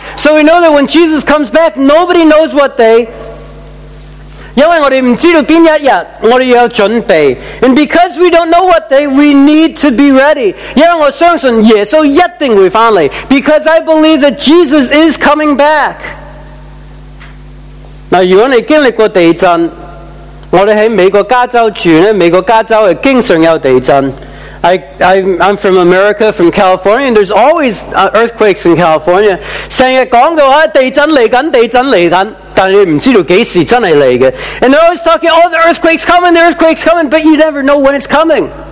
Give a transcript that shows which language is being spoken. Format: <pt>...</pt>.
<en>So we know that when Jesus comes back, nobody knows what day.</en> <zh>因为我们不知道哪一天,我们要准备.</zh> <en>And because we don't know what day, we need to be ready.</en> <zh>因为我相信耶稣一定会回来.</zh> <en>Because I believe that Jesus is coming back.</en> <zh>如果你经历过地震, 我们在美国加州住,美国加州经常有地震.</zh> <en>I'm from America, from California, and there's always earthquakes in California.</en> <zh>经常说,地震来,地震来,但你不知道何时真的来.</zh> <en>And they're always talking, oh, the earthquake's coming, but you never know when it's coming.</en>